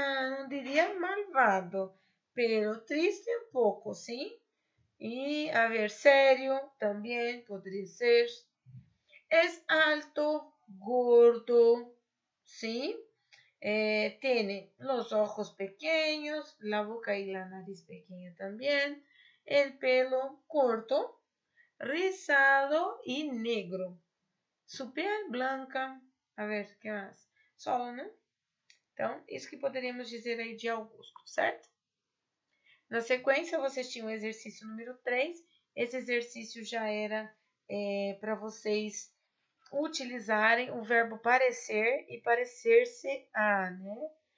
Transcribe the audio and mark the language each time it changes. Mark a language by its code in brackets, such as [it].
[pt] Não diria malvado, pero triste um pouco, sim? E a ver, sério também poderia ser. [es] Es alto, gordo, sim? Tiene los ojos pequeños, la boca y la nariz pequeña también, el pelo corto, rizado y negro. Su piel blanca. A ver, ¿qué más? Solo, ¿no? [pt] Então, isso que poderíamos dizer aí de Augusto, certo? Na sequência, vocês tinham o exercício número 3. Esse exercício já era para vocês utilizarem o verbo parecer e parecer-se a, né?